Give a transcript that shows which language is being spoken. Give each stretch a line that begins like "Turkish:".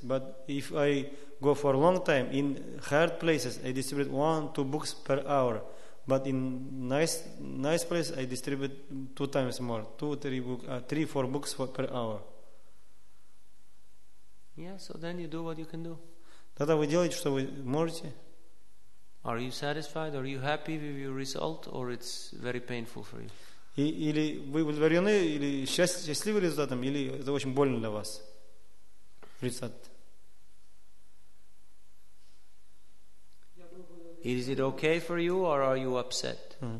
English: But if I go for a long time in hard places, I distribute 1-2 books per hour. But in nice place, I distribute 2 times more, 3-4 books per hour. Yeah, so then you do what you can do.
Russian: Тогда вы делаете, что вы можете.
English: Are you satisfied? Are you happy with your result, or it's very painful for you?
Russian: Или вы удовлетворены, или счастливы результатом, или это очень больно для вас результат?
English: Is it okay for you, or are you upset?